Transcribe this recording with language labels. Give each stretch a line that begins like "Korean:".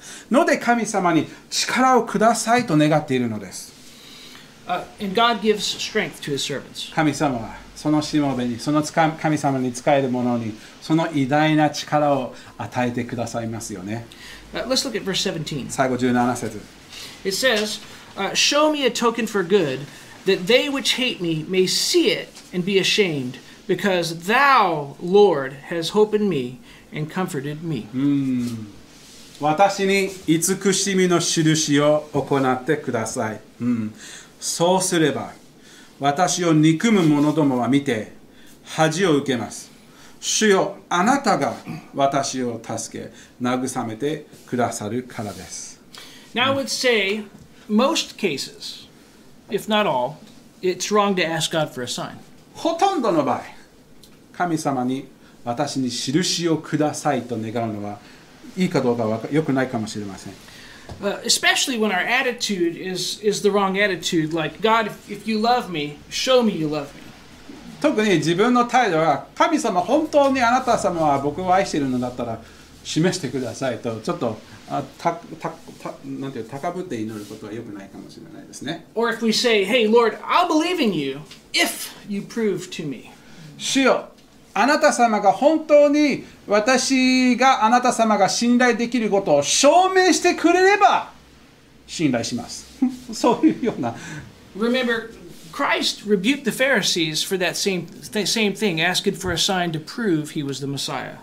Japanese: ので神様に力をくださいと願っているのです。
English: And God gives strength to his servants.
Japanese: 神様はそのしもべに、その神様に仕える者に、その偉大な力を与えてくださいますよね。
English: Let's look at verse 17.
Japanese: 最後17節。
English: It says, show me a token for good, that they which hate me may see it and be ashamed, because thou, Lord, has hope in me and comforted me.
Japanese: 私に慈しみの印を行ってください。そうすれば、私を憎む者どもは見て恥を受けます。主よ、あなたが私を助け慰めてくださるからです。
English: Now I would say most cases, if not all, it's wrong to ask God for a sign.
Japanese: ほとんどの場合、神様に私に印をくださいと願うのはいいかどうかは良くないかもしれません。
English: Especially when our attitude is the wrong attitude, like, God, if you love me, show me you love me.
Japanese: 特に自分の態度は、神様、本当にあなた様は僕を愛しているのだったら示してくださいと、ちょっと、高ぶって祈ることは良くないかもしれないですね。
English: Or if we say, hey, Lord, I'll believe in you if you prove to me.
Japanese: 主よ、あなた様が本当に私があなた様が信頼できることを証明してくれれば信頼しますそういうような
English: Remember, Christ rebuked the Pharisees for that same thing, asking for a sign to prove he was the Messiah.